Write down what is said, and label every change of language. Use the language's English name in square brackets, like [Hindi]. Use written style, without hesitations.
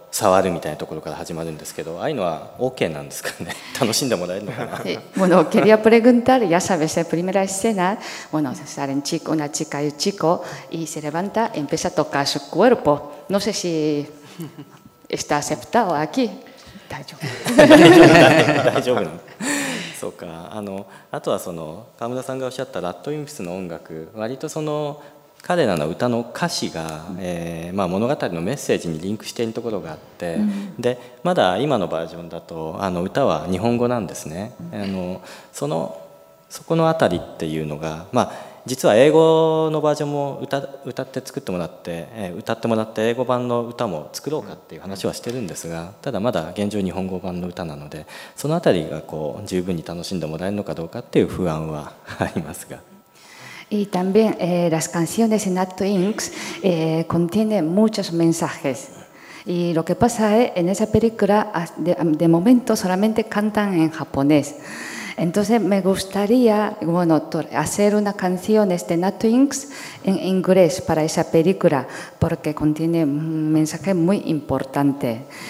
[Japanese] 触るみたいなところから始まるんですけど、ああいうのは OK なんですかね、楽しんでもらえるのかな。 [Spanish] Bueno, quería preguntar, ya sabes, la primera escena, bueno, sale una chica y un chico, y se levanta y empieza a tocar su cuerpo. No sé si está aceptado aquí. [Japanese] 大丈夫。大丈夫なの。そうか。あとはその、河村さんがおっしゃったラッドインフィスの音楽、割とその、彼らの歌の歌詞が、まあ、物語のメッセージにリンクしているところがあって、うん、でまだ今のバージョンだとあの歌は日本語なんですね、うん、そこのあたりっていうのが、まあ、実は英語のバージョンも 歌って作ってもらって、歌ってもらって英語版の歌も作ろうかっていう話はしてるんですが、ただまだ現状日本語版の歌なのでそのあたりがこう十分に楽しんでもらえるのかどうかっていう不安はありますが、 [Spanish] Y también las canciones en Acto Inks contienen muchos mensajes. Y lo que pasa es en esa película de momento solamente cantan en japonés. Entonces me gustaría bueno, hacer unas canciones de Acto Inks en inglés para esa película porque contiene un mensaje muy importante.